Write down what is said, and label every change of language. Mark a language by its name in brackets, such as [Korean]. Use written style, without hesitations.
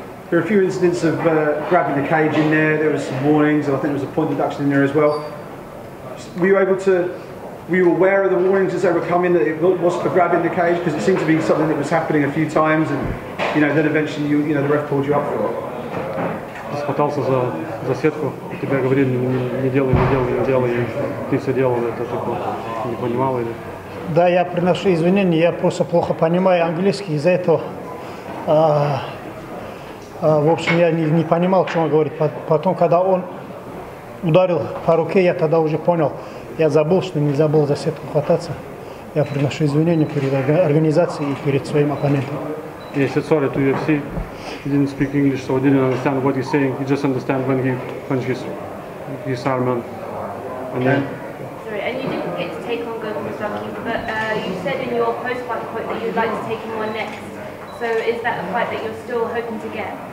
[English] There are a few incidents of grabbing the cage in there. There was some warnings, and I think there was a point deduction in there as well. Were you able to? Were you aware of the warnings as they were coming that it was for grabbing the cage? Because it seemed to be something that was happening a few times, and you know, then eventually you know the ref pulled you up for it. [Russian] Я пытался за сетку, тебе говорили, не делай, ты все делал, это только не понимал или? Да, я приношу извинения, я просто плохо понимаю английский из-за этого. В общем, я не понимал, что он говорит. Потом, когда он ударил по руке, я тогда уже понял. Я забыл, что нельзя было за сетку хвататься. Я приношу извинения перед организацией и перед своим оппонентом. [English] He said sorry to UFC. He didn't speak English, so he didn't understand what he's saying. He just understand when he punched his arm and then. Sorry, and you didn't get to take on Gokhan Saki, but you said in your post-fight quote that you'd like to take him on next. So is that a fight that you're still hoping to get?